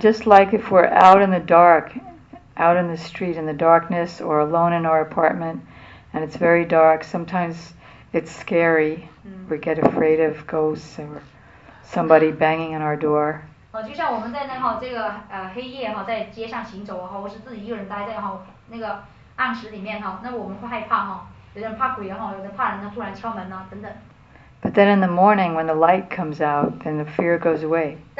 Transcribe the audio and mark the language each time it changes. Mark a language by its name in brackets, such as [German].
[English] just like if we're out in the dark, out in the street in the darkness, or alone in our apartment, and it's very dark, sometimes it's scary. We get afraid of ghosts or somebody banging on our door. [Chinese] 就像我们在那哈这个黑夜哈在街上行走啊，或是自己一个人待在哈那个。暗室里面哈，那我们会害怕哈，有人怕鬼哈，有人怕人呢突然敲门呢，等等。 [English] But then in the morning when the light comes out, then the fear goes away.